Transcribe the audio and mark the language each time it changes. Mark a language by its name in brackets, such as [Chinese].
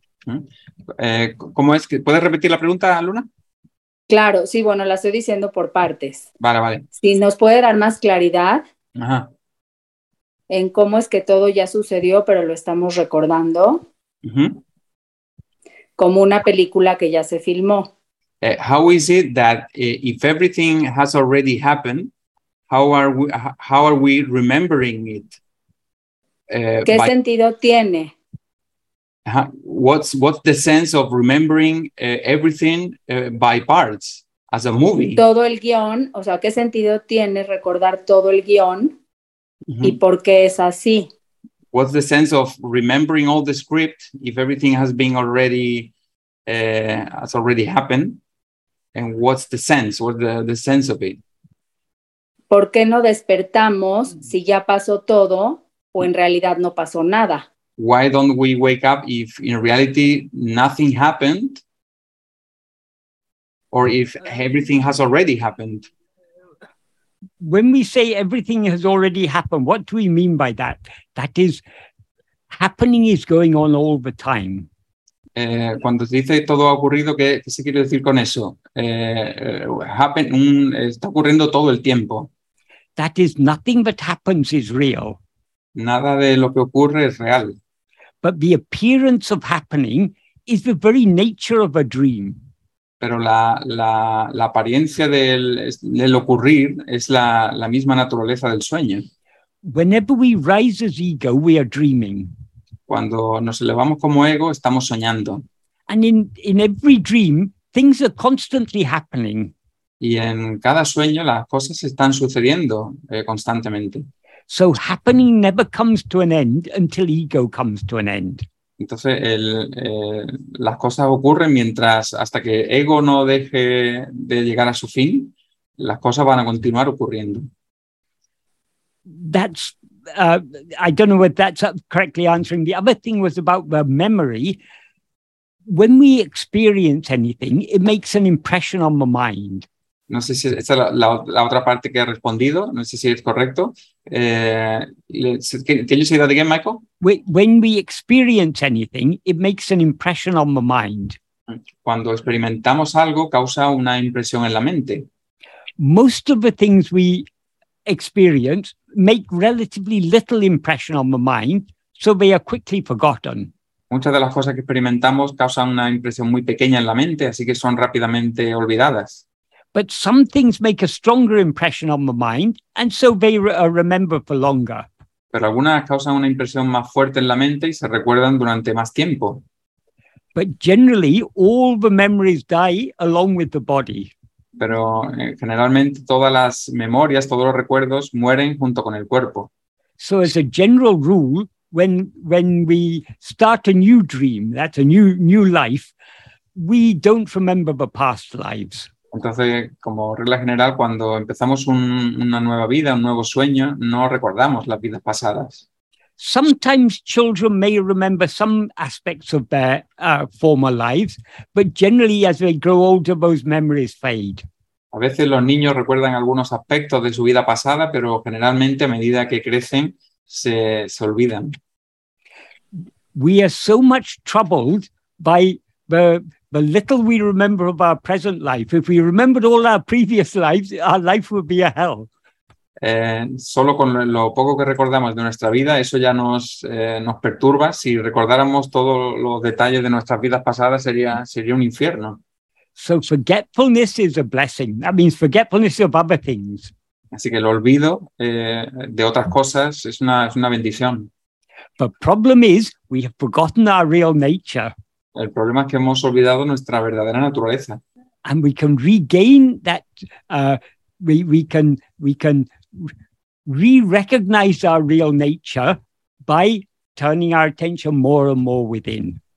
[Spanish] Uh-huh. ¿Cómo es que puedes repetir la pregunta, Luna? Claro, sí, bueno, la estoy diciendo por partes. Vale, vale. Si nos puede dar más claridad Ajá. en cómo es que todo ya sucedió, pero lo estamos recordando uh-huh. como una película que ya se filmó. [English] How is it that if everything has already happened, how are we remembering it? [Spanish] ¿Qué sentido tiene? [English] What's the sense of remembering everything by parts as a movie? [Spanish] Todo el guión, o sea, ¿qué sentido tiene recordar todo el guión mm-hmm. y por qué es así? [English] What's the sense of remembering all the script if everything has been already has already happened? And what's the sense? What's the sense of it? [Spanish] ¿Por qué no despertamos mm-hmm. si ya pasó todo o en realidad no pasó nada? [English] Why don't we wake up if in reality nothing happened? Or if everything has already happened? When we say everything has already happened, what do we mean by that? That is, happening is going on all the time. [Spanish] Cuando se dice todo ha ocurrido, ¿qué se quiere decir con eso? Está ocurriendo todo el tiempo. [English] That is, nothing that happens is real. [Spanish] Nada de lo que ocurre es real. [English] But the appearance of happening is the very nature of a dream. [Spanish] Pero la apariencia del ocurrir es la misma naturaleza del sueño. [English] Whenever we rise as ego, we are dreaming. [Spanish] Cuando nos elevamos como ego, estamos soñando. [English] And in every dream, things are constantly happening. [Spanish] Y en cada sueño las cosas están sucediendo constantemente. [English] So happening never comes to an end until ego comes to an end. [Spanish] Entonces las cosas ocurren mientras hasta que ego no deje de llegar a su fin, las cosas van a continuar ocurriendo. [English] That's I don't know if that's correctly answering. The other thing was about the memory. When we experience anything, it makes an impression on the mind. [Spanish] No sé si esta es la otra parte que ha respondido. No sé si es correcto. [English] Can you say that again, Michael? When we experience anything, it makes an impression on the mind. [Spanish] Cuando experimentamos algo, causa una impresión en la mente. [English] Most of the things we experience make relatively little impression on the mind, so they are quickly forgotten. [Spanish] Muchas de las cosas que experimentamos causan una impresión muy pequeña en la mente, así que son rápidamente olvidadas. [English] But some things make a stronger impression on the mind, and so they remember for longer. [Spanish] Pero algunas causan una impresión más fuerte en la mente y se recuerdan durante más tiempo. [English] But generally, all the memories die along with the body. [Spanish] Pero generalmente todas las memorias, todos los recuerdos mueren junto con el cuerpo. [English] So as a general rule, when we start a new dream, that's a new life, we don't remember the past lives. [Spanish] Entonces, como regla general, cuando empezamos una nueva vida, un nuevo sueño, no recordamos las vidas pasadas. [English] Sometimes children may remember some aspects of their former lives, but generally as they grow older, those memories fade. [Spanish] A veces los niños recuerdan algunos aspectos de su vida pasada, pero generalmente a medida que crecen, se olvidan. [English] We are so much troubled by the little we remember of our present life. If we remembered all our previous lives, our life would be a hell. [Spanish] Solo con lo poco que recordamos de nuestra vida, eso ya nos perturba. Si recordáramos todos los detalles de nuestras vidas pasadas, sería un infierno. [English] So forgetfulness is a blessing. That means forgetfulness of other things. [Spanish] Así que el olvido de otras cosas es una bendición. [English] The problem is we have forgotten our real nature. [Spanish] El problema es que hemos olvidado nuestra verdadera naturaleza. [English] And we can regain that. We can re-recognize our real nature by turning our attention more and more within.